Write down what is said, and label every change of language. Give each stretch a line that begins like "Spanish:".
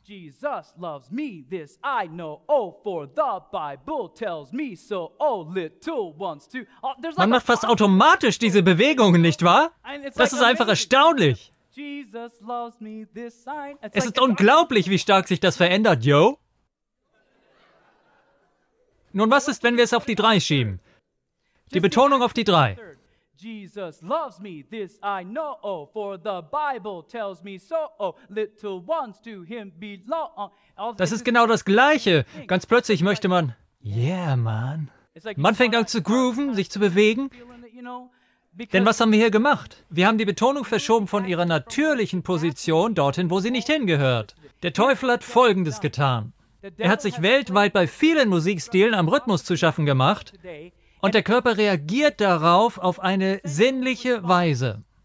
English: Jesus loves me, this I know, oh, for the Bible tells me so, oh, little ones too.
German: Man macht fast automatisch diese Bewegungen, nicht wahr? Das ist einfach erstaunlich.
English: Jesus loves me, this I know.
German: Es ist unglaublich, wie stark sich das verändert, yo. Nun, was ist, wenn wir es auf die 3 schieben? Die Betonung auf die 3.
English: Jesus loves me, this I know, oh, for the Bible tells me so, oh, little ones to him belong.
German: Das ist genau das Gleiche. Ganz plötzlich möchte man, yeah, man. Man fängt an zu grooven, sich zu bewegen. Denn was haben wir hier gemacht? Wir haben die Betonung verschoben von ihrer natürlichen Position dorthin, wo sie nicht hingehört. Der Teufel hat Folgendes getan. Er hat sich weltweit bei vielen Musikstilen am Rhythmus zu schaffen gemacht, und der Körper reagiert darauf auf eine sinnliche Weise.